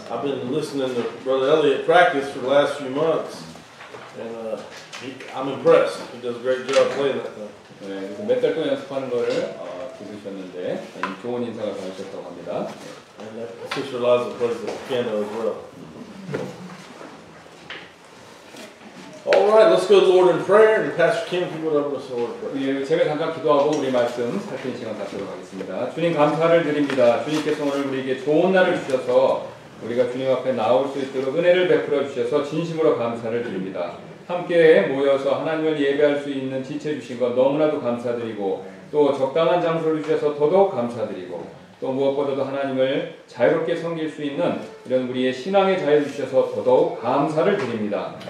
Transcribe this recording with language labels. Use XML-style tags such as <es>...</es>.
<en>I've been listening to Brother Elliot practice for the last few months, and I'm impressed. He does a great job playing that thing.</en> <ko>네, 몇 달 동안 연습하는 거를 들으셨는데 좋은 인사가 받으셨다고 합니다.</ko> <en>And that sister Liza plays the piano as well. All right, let's go to the Lord in prayer, and Pastor Kim, if you would open us in the Lord in prayer.</en> <ko>예, 제가 잠깐 기도하고 우리 말씀 살피는 시간 갖도록 하겠습니다. 주님 감사를 드립니다. 주님께서 오늘 우리에게 좋은 날을 주셔서 우리가 주님 앞에 나올 수 있도록 은혜를 베풀어 주셔서 진심으로 감사를 드립니다. 함께 모여서 하나님을 예배할 수 있는 지체 주신 것 너무나도 감사드리고 또 적당한 장소를 주셔서 더더욱 감사드리고 또 무엇보다도 하나님을 자유롭게 섬길 수 있는 이런 우리의 신앙의 자유를 주셔서 더더욱 감사를 드립니다.</ko>